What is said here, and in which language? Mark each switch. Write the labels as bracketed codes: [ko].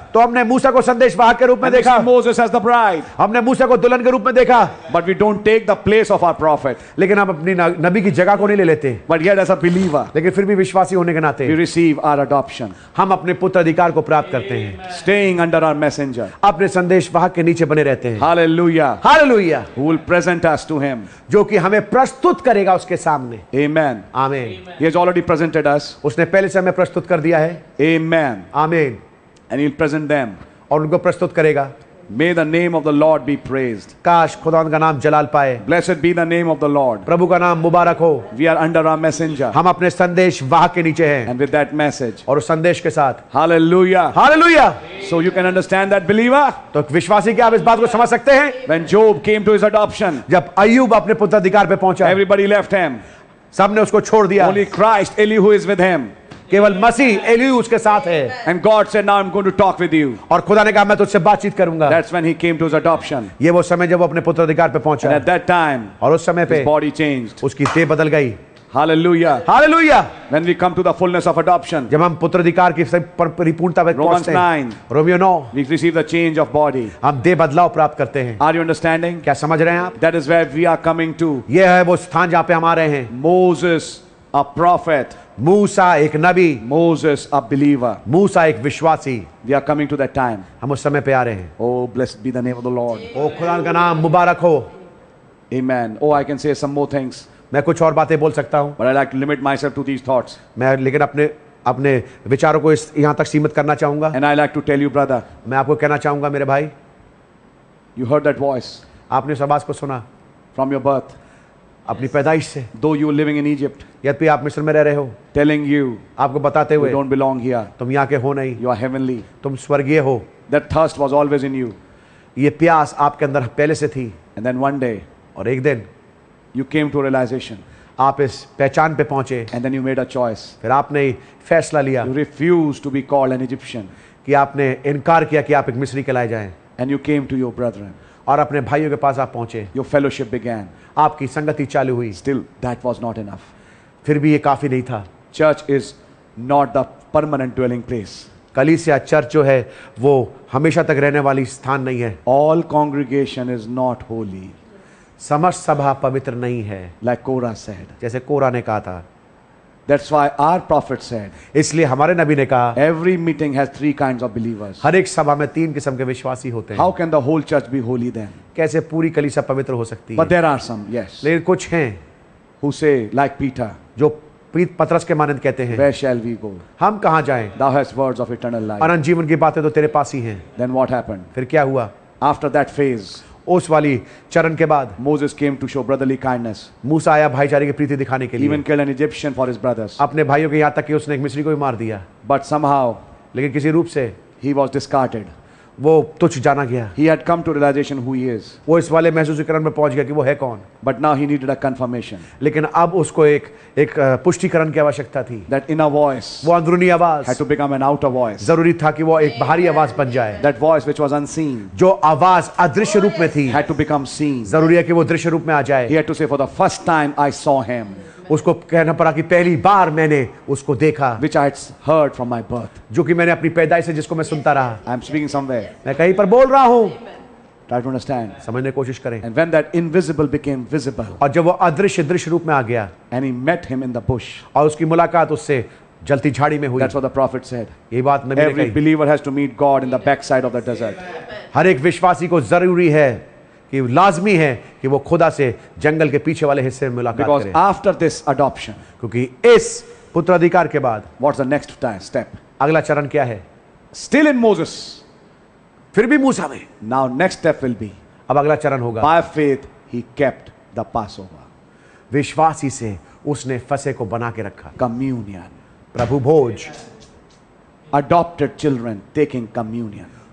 [hi] तो हमने मूसा को संदेशवाहक के रूप में देखा. [en] Moses as the bride. [hi] हमने मूसा को दुल्हन के रूप में देखा. [en] But we don't take the place of our prophet. [hi] लेकिन हम अपनी नबी की जगह को नहीं ले लेते. [en] But yet as a believer. [hi] लेकिन फिर भी विश्वासी होने के नाते. [en] We receive our adoption. [hi] हम अपने पुत्र अधिकार को प्राप्त करते हैं. [en] Staying under our messenger. [hi] अपने संदेशवाहक के नीचे बने रहते हैं. [en] Hallelujah. [hi] Hallelujah. [en] Who will present us to him. [hi] जो कि हमें प्रस्तुत करेगा उसके सामने. [en] Amen. [hi] Amen. [en] He has already presented us. [hi] उसने पहले से हमें प्रस्तुत कर दिया है. [en] Amen. [hi] Amen. [en] And he'll present them. [hi] और उनको प्रस्तुत करेगा. [en] May the name of the Lord be praised. [hi] काश खुदावंद का नाम जलाल पाए. [en] Blessed be the name of the Lord. [hi] प्रभु का नाम मुबारक हो. [en] We are under our messenger. [hi] हम अपने संदेश वाहक के नीचे हैं. [en] And with that message. [hi] और उस संदेश के साथ. [en] Hallelujah. [hi] Hallelujah. [en] So you can understand that believer. [hi] तो विश्वासी क्या आप इस बात को समझ सकते हैं? [en] When Job came to his adoption. [hi] जब अय्यूब अपने पुत्राधिकार पे पहुंचा. [en] Everybody left him. [hi] सबने उसको छोड़ दिया. [en] Only Christ Elihu is with him. [hi] केवल मसीह एलीहू उसके साथ है. [en] And God said, "Now I'm going to talk with you." [hi] और खुदा ने कहा मैं तुझसे बातचीत करूंगा. [en] That's when he came to his adoption. [hi] ये वो समय जब वो अपने पुत्र अधिकार पे पहुंचा. [en] And at that time, [hi] और उस समय पे, [en] his body changed. [hi] उसकी देह बदल गई. [en] Hallelujah. [hi] Hallelujah. [en] When we come to the fullness of adoption. [hi] जब हम पुत्र अधिकार की परिपूर्णता पे पहुंचते हैं. Romans 9. [en] Romans 9. We receive the change of body. [hi] हम देह बदलाव प्राप्त करते हैं. [en] Are you understanding? [hi] क्या समझ रहे हैं आप? [en] That is where we are coming to. [hi] ये है वो स्थान जहां पे हम आ रहे हैं. [en] Moses, a prophet. [hi] मूसा एक नबी. [en] Moses a believer. [hi] मूसा एक विश्वासी. [en] We are coming to that time. [hi] हम उस समय पे आ रहे हैं. [en] Oh, blessed be the name of the Lord. [hi] ओ खुदा का नाम मुबारक हो. [en] Amen. Oh, I can say some more things. [hi] मैं कुछ और बातें बोल सकता हूँ. [en] But I like to limit myself to these thoughts. [hi] मैं लेकिन अपने अपने विचारों को इस यहाँ तक सीमित करना चाहूँगा. [en] And I like to tell you, brother. [hi] मैं आपको कहना चाहूँगा मेरे भाई. [en] You heard that voice. [hi] आपने उस आवाज को सुना. [en] From your birth. [hi] अपनी पैदाइश से. [en] Though you were living in Egypt. [hi] यद्यपि आप मिस्र में रह रहे हो. [en] Telling you. [hi] आपको बताते हुए. [en] You don't belong here. [hi] तुम यहाँ के हो नहीं. [en] You are heavenly. [hi] तुम स्वर्गीय हो. [en] That thirst was always in you. [hi] ये प्यास आपके अंदर पहले से थी. [en] And then one day. [hi] और एक दिन. [en] You came to a realization. [hi] आप इस पहचान पे पहुंचे. [en] And then you made a choice. [hi] फिर आपने फैसला लिया. [en] You refused to be called an Egyptian. [hi] कि आपने इनकार किया कि आप एक मिस्री कहलाए जाएं. [en] And you came to your brethren. [hi] और अपने भाइयों के पास आप पहुंचे. [en] Your fellowship began. [hi] आपकी संगति चालू हुई. [en] Still, that was not enough. [hi] फिर भी ये काफी नहीं था. [en] Church is not the permanent dwelling place. [hi] कलीसिया चर्च जो है वो हमेशा तक रहने वाली स्थान नहीं है. [en] All congregation is not holy. [hi] समस्त सभा पवित्र नहीं है. [en] Like Korah said. [hi] जैसे कोरा ने कहा था. [en] That's why our prophet said. [hi] इसलिए हमारे नबी ने कहा. [en] Every meeting has three kinds of believers. [hi] हर एक सभा में तीन किस्म के विश्वासी होते हैं. [en] How can the whole church be holy then? [hi] कैसे पूरी कलीसिया पवित्र हो सकती है? [en] But there are some, yes. [hi] लेकिन कुछ हैं. [en] Who say like Peter? [hi] जो पतरस के मानंद कहते हैं. [en] Where shall we go? [hi] हम कहाँ जाएं? [en] Thou hast words of eternal life. [hi] अनंत जीवन की बातें तो तेरे पास ही हैं. [en] Then what happened? [hi] फिर क्या हुआ? [en] After that phase. [hi] उस वाली चरण के बाद [en] Moses came to show brotherly kindness. [hi] मूसा आया भाईचारे की प्रीति दिखाने के लिए. [en] Even killed an Egyptian for his brothers. [hi] अपने भाइयों के यहाँ तक कि उसने एक मिस्री को भी मार दिया. [en] But somehow, [hi] लेकिन किसी रूप से [en] he was discarded. [hi] वो तुच्छ जाना गया. [en] He had come to realization who he is. [hi] वो इस वाले महसूसीकरण में पहुंच गया कि वो है कौन. [en] But now he needed a confirmation. [hi] लेकिन अब उसको एक एक पुष्टिकरण की आवश्यकता थी. [en] That inner voice. [hi] वो अंदरूनी आवाज. [en] Had to become an outer voice. [hi] जरूरी था कि वो एक बाहरी आवाज बन जाए. [en] That voice which was unseen. [hi] जो आवाज अदृश्य रूप में थी. [en] Had to become seen. [hi] जरूरी है कि वो दृश्य रूप में आ जाए. [en] He had to say for the first time I saw him. [hi] उसको कहना पड़ा कि पहली बार मैंने उसको देखा. [en] Which I had heard from my birth. [hi] जो कि मैंने अपनी पैदाइश से जिसको मैं सुनता रहा. [en] I am speaking somewhere. [hi] मैं कहीं पर बोल रहा हूँ. [en] Try to understand. [hi] समझने की कोशिश करें. [en] And when that invisible became visible. [hi] और जब वो अदृश्य दृश्य रूप में आ गया. [en] And he met him in the bush. [hi] और उसकी मुलाकात उससे जलती झाड़ी में हुई. [en] That's what the prophet said. [hi] ये बात नबी ने कही. [en] Every believer has to meet God in the backside of the desert. [hi] हर एक विश्वासी को जरूरी है कि लाजमी है कि वो खुदा से जंगल के पीछे वाले हिस्से में मुलाकात करे. [en] Because after this adoption, [hi] क्योंकि इस पुत्राधिकार के बाद, [en] what's the next time step? [hi] अगला चरण क्या है? [en] Still in Moses, [hi] फिर भी मूसा में. [en] Now next step will be, [hi] अब अगला चरण होगा. [en] By faith he kept the Passover. [hi] विश्वासी से उसने फसे को बना के रखा. [en] Communion, [hi] प्रभु भोज. [en] Adopted children taking communion,